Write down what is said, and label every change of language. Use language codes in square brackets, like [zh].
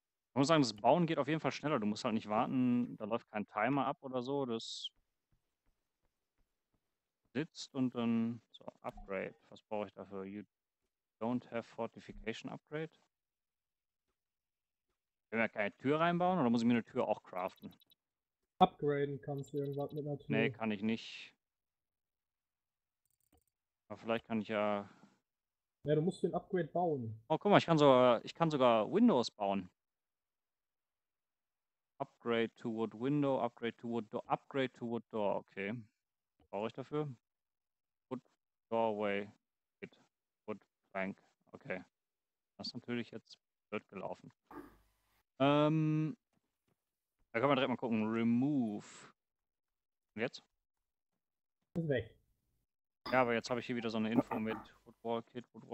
[de] Ich muss sagen, das Bauen geht auf jeden Fall schneller. Du musst halt nicht warten, da läuft kein Timer ab oder so. Das sitzt und dann so Upgrade. Was brauche ich dafür? [en] Don't have Fortification Upgrade. [de] Können wir keine Tür reinbauen oder muss ich mir eine Tür auch craften? Upgraden kannst du irgendwas mit einer Tür. Nee, kann ich nicht. Aber vielleicht kann ich ja. Ja, du musst den Upgrade bauen. Oh, guck mal, ich kann sogar Windows bauen. [en] Upgrade to wood window, upgrade to wood door, upgrade to wood door, okay. [de] Brauche ich dafür? [en] Wood doorway, it, wood plank, okay. [de] Das ist natürlich jetzt blöd gelaufen. Da können wir direkt mal gucken. Remove. Und jetzt? Ist weg. Ja, aber jetzt habe ich hier wieder so eine Info mit Woodwall Kit.